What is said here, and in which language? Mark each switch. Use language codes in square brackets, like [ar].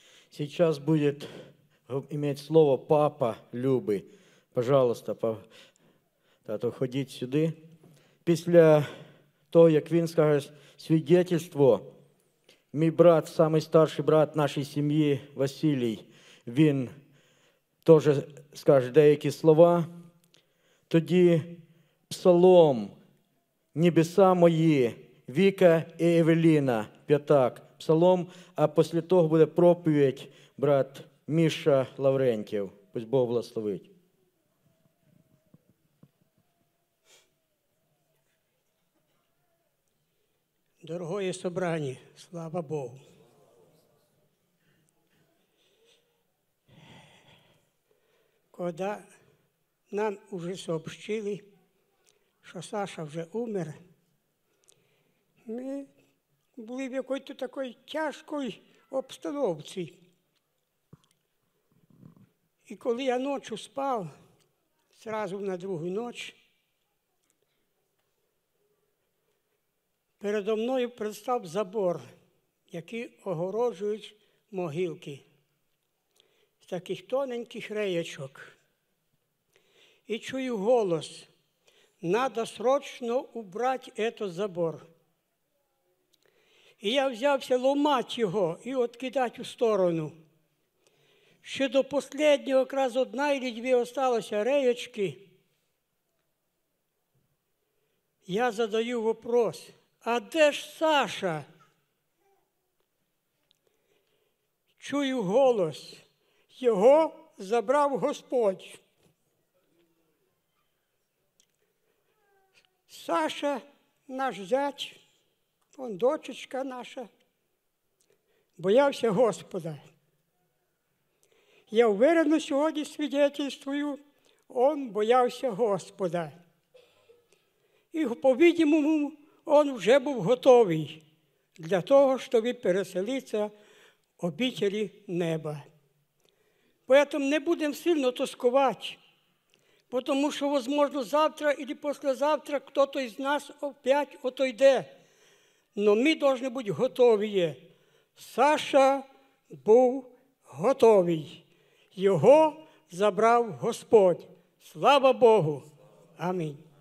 [ru] Сейчас будет иметь слово папа Любы. [uk] Пожалуйста, тато, ходіть сюди. Після того, як він скаже свідетельство, мій брат, самий старший брат нашої сім'ї Василій, він теж скаже деякі слова. Тоді псалом «Небеса мої» Віка і Евеліна п'ятак. Псалом, а після того буде проповідь брат Міша Лаврентів. Пусть Бог благословить. [ru] Дорогое собрание, слава Богу. Когда нам уже сообщили, что Саша уже умер, мы были в какой-то такой тяжкой обстановке. [uk] І коли я ночью спав, зразу на другу ніч, передо мною представ забор, який огорожують могилки з таких тоненьких реєчок. І чую голос: [ru] «Надо срочно убрать этот забор». [uk] І я взявся ломати його і відкидати у сторону. Ще до последнього якраз одна или дві осталося реєчки. [ru] Я задаю вопрос: [uk] «А де ж Саша?» Чую голос: «Його забрав Господь». Саша, наш зять, он дочечка наша, боявся Господа. Я уверенно сьогодні свідетельствую, он боявся Господа. І, по-видимому, он вже був готовий для того, щоб переселитися в обителі неба. [ru] Поэтому [uk] не будемо сильно тоскувати, [ru] потому що, возможно, завтра или послезавтра хтось із нас опять отойде. [uk] Но ми должны бути готові. Саша був готовий. Його забрав Господь. Слава Богу! Амінь.